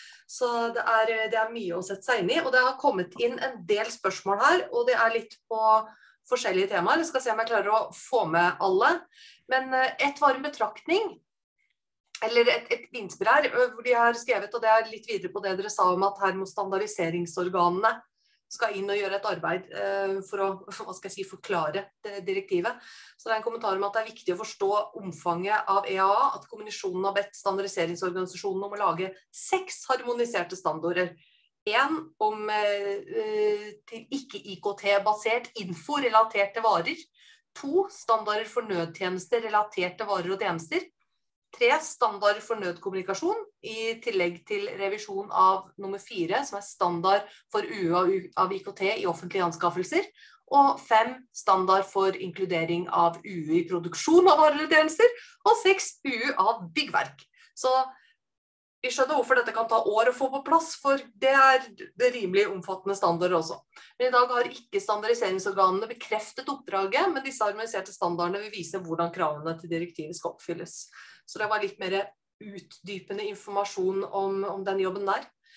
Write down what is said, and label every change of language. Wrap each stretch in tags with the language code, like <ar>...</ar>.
<no>Så det er mye å sette seg inn I, og det har kommet inn en del spørsmål her, og det litt på forskjellige temaer. Jeg skal se om jeg klarer å få med alle. Men et varm betraktning, eller et innspill her, hvor de har skrevet, og det litt videre på det dere sa om at her må standardiseringsorganene</no> <sv>ska in och göra ett arbete för att vad ska jag säga si, förklara det direktivet. Så det är en kommentar om att det är viktigt att förstå omfanget av EAA att kommissionen har bett standardiseringsorganisationen om att lage 6 harmoniserade standarder. En om till icke IKT baserat info relaterade varor, 2 standarder för nödtjänster relaterade varor och tjänster, 3 standarder för nödkommunikation I tillägg till revision av nummer 4 som är standard för UAU av IKT I offentliga anskaffelser och 5 standard för inkludering av UU I produktion av varor och tjänster och 6 UU av byggverk.</sv> <no>Så vi skjønner hvorfor dette kan ta år å få på plass, for det det rimelig omfattende standarder også. Men I dag har ikke standardiseringsorganene bekreftet oppdraget, men disse harmoniserte standardene vil vise hvordan kravene til direktivet skal oppfylles. Så det var litt mer utdypende informasjon om den jobben der.</no>